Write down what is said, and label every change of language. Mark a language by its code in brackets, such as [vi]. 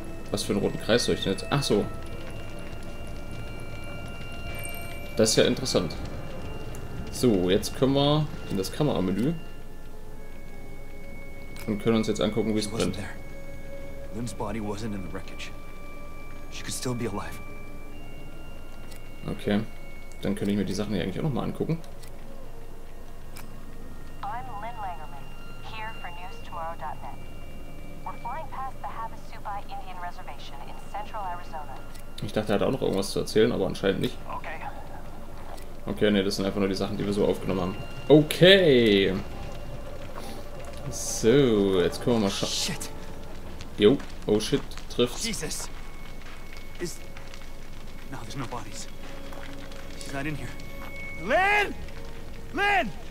[de] Was für einen roten Kreis soll ich denn jetzt? Ach so. Das ist ja interessant. So, jetzt können wir in das Kameramenü. Und können uns jetzt angucken, wie es brennt. [en] Lynn's body wasn't in the wreckage. She could still be alive. Okay. [de] Dann könnte ich mir die Sachen hier eigentlich auch nochmal angucken. [en] I'm Lynn Langerman, here for newstomorrow.net. We're flying past the Havasupai Indian Reservation in Central Arizona. [de] Ich dachte, er hat auch noch irgendwas zu erzählen, aber anscheinend nicht. Okay, nee, das sind einfach nur die Sachen, die wir so aufgenommen haben. Okay. So, jetzt können wir mal schauen. [en] Shit. [de] Jo, [en] oh shit, [de] trifft. [en] Jesus. Is... No, there's no bodies. She's not in here. Lynn! Lynn!